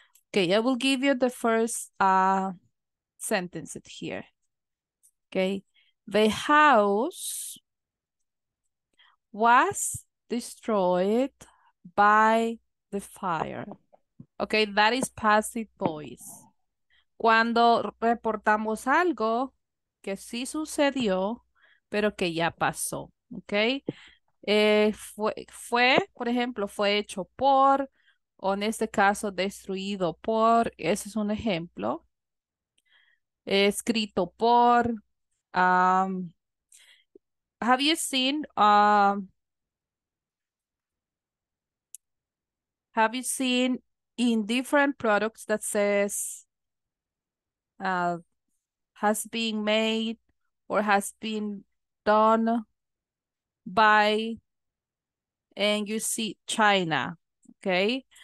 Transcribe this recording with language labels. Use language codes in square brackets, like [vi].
[en] Okay, I will give you the first sentence here. Okay, the house was destroyed by the fire. Okay, that is passive voice. [es] Cuando reportamos algo que sí sucedió, pero que ya pasó. Okay. Fue, por ejemplo, fue hecho por, o en este caso, destruido por, ese es un ejemplo. Escrito por. [en] Have you seen in different products that says has been made or has been done by, and you see China, okay?